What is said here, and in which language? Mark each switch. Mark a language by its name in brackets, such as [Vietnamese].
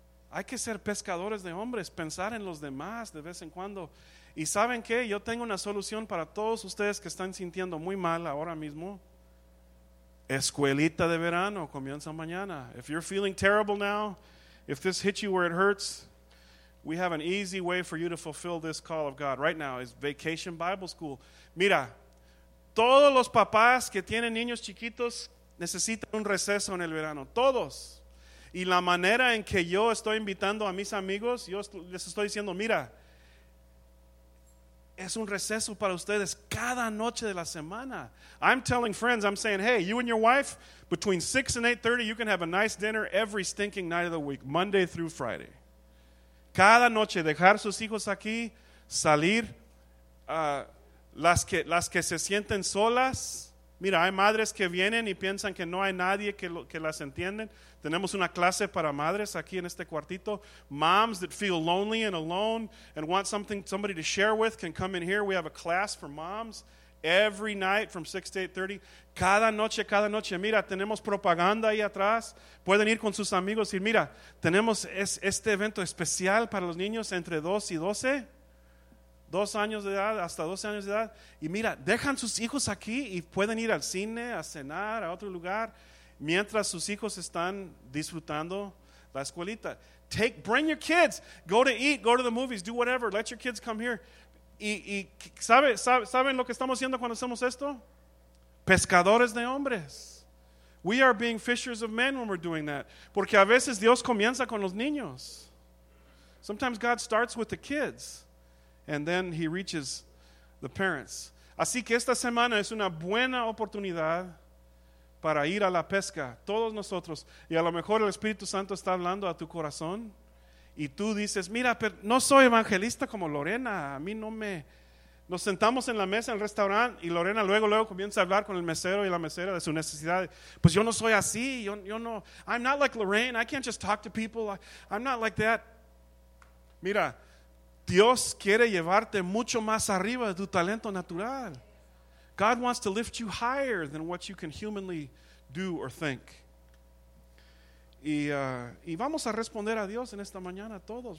[Spanish] Hay que ser pescadores de hombres, pensar en los demás de vez en cuando. Y ¿saben qué? Yo tengo una solución para todos ustedes que están sintiendo muy mal ahora mismo. Escuelita de verano, comienza mañana. [English] If you're feeling terrible now, if this hits you where it hurts, we have an easy way for you to fulfill this call of God right now. It's Vacation Bible School. [Spanish] Mira, todos los papás que tienen niños chiquitos necesitan un receso en el verano. Todos. Y la manera en que yo estoy invitando a mis amigos, yo les estoy diciendo, mira, es un receso para ustedes cada noche de la semana. [English] I'm telling friends, I'm saying, hey, you and your wife, between 6 and 8:30, you can have a nice dinner every stinking night of the week, Monday through Friday. [Spanish] Cada noche, dejar sus hijos aquí, salir, las que se sienten solas. Mira, hay madres que vienen y piensan que no hay nadie que las entienden. Tenemos una clase para madres aquí en este cuartito. Moms that feel lonely and alone and want something, somebody to share with can come in here. We have a class for moms every night from 6 to 8:30. Cada noche. Mira, tenemos propaganda ahí atrás. Pueden ir con sus amigos y mira, tenemos este evento especial para los niños entre 2 y 12. Dos años de edad, hasta 12 años de edad. Y mira, dejan sus hijos aquí y pueden ir al cine, a cenar, a otro lugar, mientras sus hijos están disfrutando la escuelita. [English] Bring your kids. Go to eat, go to the movies, do whatever. Let your kids come here. [Spanish] Y ¿saben lo que estamos haciendo cuando hacemos esto? Pescadores de hombres. [English] We are being fishers of men when we're doing that. [Spanish] Porque a veces Dios comienza con los niños. [English] Sometimes God starts with the kids. And then he reaches the parents. [Spanish] Así que esta semana es una buena oportunidad para ir a la pesca. Todos nosotros. Y a lo mejor el Espíritu Santo está hablando a tu corazón. Y tú dices, mira, pero no soy evangelista como Lorena. A mí no me... Nos sentamos en la mesa en el restaurante. Y Lorena luego comienza a hablar con el mesero y la mesera de su necesidad. Pues yo no soy así. Yo no... [English] I'm not like Lorraine. I can't just talk to people. I'm not like that. Mira... [Spanish] Dios quiere llevarte mucho más arriba de tu talento natural. [English] God wants to lift you higher than what you can humanly do or think. [Spanish] Y vamos a responder a Dios en esta mañana todos.